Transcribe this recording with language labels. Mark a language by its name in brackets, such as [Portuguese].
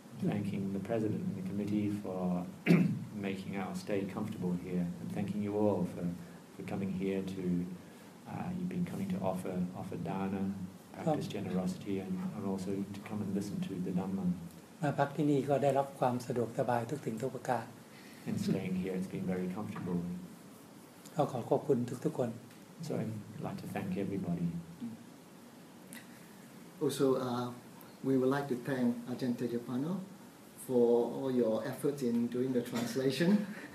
[English] Thanking the President and the Committee for making our stay comfortable here and thanking you all for coming here to you've been coming to offer dana practice generosity and also to come and listen to the Dhamma [Thai] มาพักที่นี่ก็ได้รับความสะดวกสบายทุกสิ่งทุกประการ [English] And staying here it's been very comfortable [Thai] ขอขอบคุณทุกคน [English] So I'd like to thank everybody Also, we would like to thank Ajahn Tejapano for all your efforts in doing the translation.